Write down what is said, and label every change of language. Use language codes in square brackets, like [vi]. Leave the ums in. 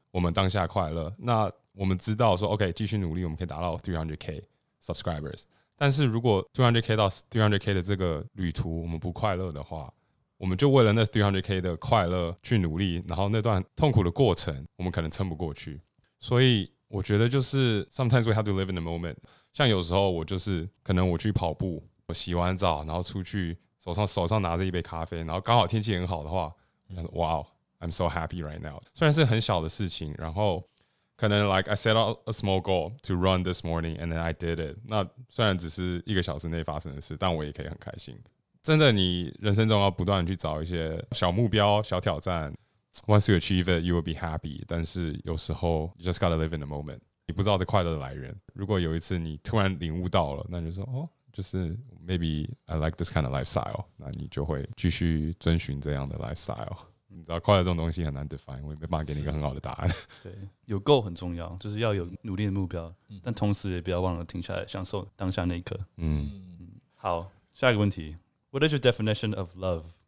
[zh] 我们当下快乐，那我们知道说，OK，继续努力，我们可以达到 [en] three hundred k subscribers。 [zh] 但是如果 three hundred k 到 three hundred k 的这个旅途我们不快乐的话，我们就为了那 three hundred k 的快乐去努力，然后那段痛苦的过程我们可能撑不过去。所以我觉得就是 [en] sometimes we have to live in the moment。 [zh] 像有时候我就是可能我去跑步，我洗完澡然后出去，手上手上拿着一杯咖啡，然后刚好天气很好的话，我想说哇哦！ [en] I'm so happy right now。 [zh] 虽然是很小的事情，然后可能 [en] like I set out a small goal to run this morning，and then I did it。 [zh] 那虽然只是一个小时内发生的事，但我也可以很开心。真的，你人生中要不断去找一些小目标、小挑战。 [en] Once you achieve it，you will be happy。 [zh] 但是有时候 just gotta live in the moment。你不知道这快乐的来源。如果有一次你突然领悟到了，那就说哦，就是 [en] maybe I like this kind of lifestyle。 [zh] 那你就会继续遵循这样的 lifestyle。你知道快乐这种东西很难 define，我也没办法给你一个很好的答案。啊、对，有够很重要，就是要有努力的目标，嗯、但同时也不要忘了停下来享受当下那一刻。 [en] 嗯，嗯、好， [zh] 下一个问题， [en] What is your definition of love？